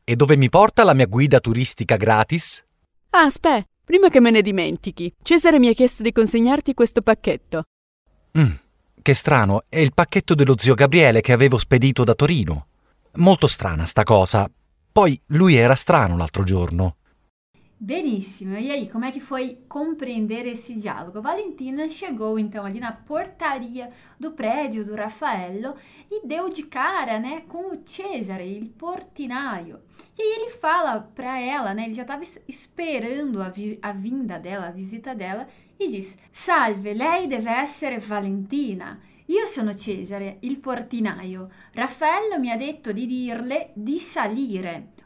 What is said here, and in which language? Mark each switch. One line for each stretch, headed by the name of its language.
Italian: E dove mi porta la mia guida turistica gratis? Ah, aspè, prima che me ne dimentichi, Cesare mi ha chiesto di consegnarti questo pacchetto. Che strano, è il pacchetto dello zio Gabriele che avevo spedito da Torino. Molto strana sta cosa. Poi lui era strano l'altro giorno.
Portuguese: Benissimo, e aí, como é que foi compreender esse diálogo? Valentina chegou então ali na portaria do prédio do Raffaello e deu de cara, né, com o Cesare,
Italian: il portinaio.
Portuguese: E aí ele fala para ela, né, ele já estava esperando a vinda dela, a visita dela, e diz:
Italian: Salve, lei deve essere Valentina. Io sono Cesare, il portinaio. Raffaello mi ha detto di dirle di salire.